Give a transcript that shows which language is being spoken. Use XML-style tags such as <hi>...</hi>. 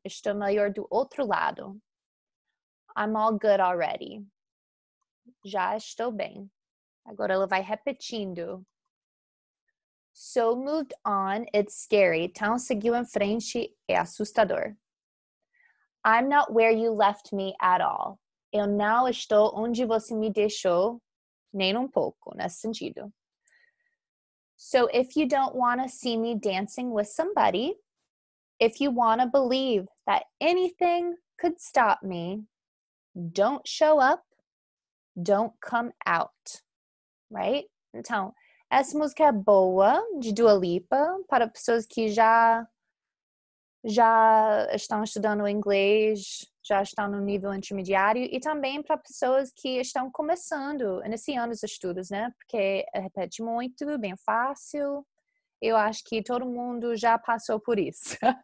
<pt>Estou melhor do outro lado.</pt> <en>I'm all good already.</en> <pt>Já estou bem. Agora ela vai repetindo.</pt> <en>So moved on, it's scary.</en> <pt>Então seguiu em frente, é assustador.</pt> <en>I'm not where you left me at all.</en> <pt>Eu não estou onde você me deixou, nem um pouco, nesse sentido.</pt> <en>So if you don't want to see me dancing with somebody, if you want to believe that anything could stop me, don't show up, don't come out, right?</en> <pt>Então, essa música é boa, de Dua Lipa, para pessoas que já estão estudando inglês, já estão no nível intermediário, e também para pessoas que estão começando, iniciando os estudos, né? Porque repete muito, bem fácil. Eu acho que todo mundo já passou por isso.</pt>